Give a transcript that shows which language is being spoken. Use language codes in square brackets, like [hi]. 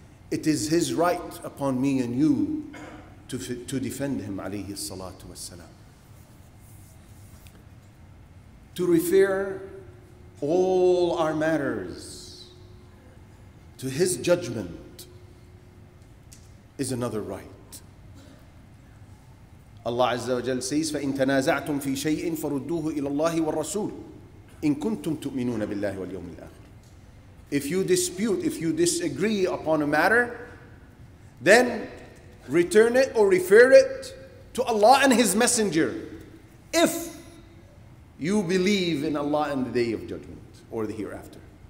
[en] It is his right upon me and you to defend him, alayhi salatu wasalam. to refer all our matters to his judgment is another right. Allah Azza wa Jal says, [ar] فَإِن تَنَازَعْتُمْ فِي شَيْءٍ فَرُدُّوهُ إِلَى اللَّهِ وَالرَّسُولِ إِن كُنْتُمْ تُؤْمِنُونَ بِاللَّهِ وَالْيَوْمِ الْآخِرِ. [en] If you dispute, if you disagree upon a matter, then return it or refer it to Allah and His Messenger if you believe in Allah and the Day of Judgment or the Hereafter.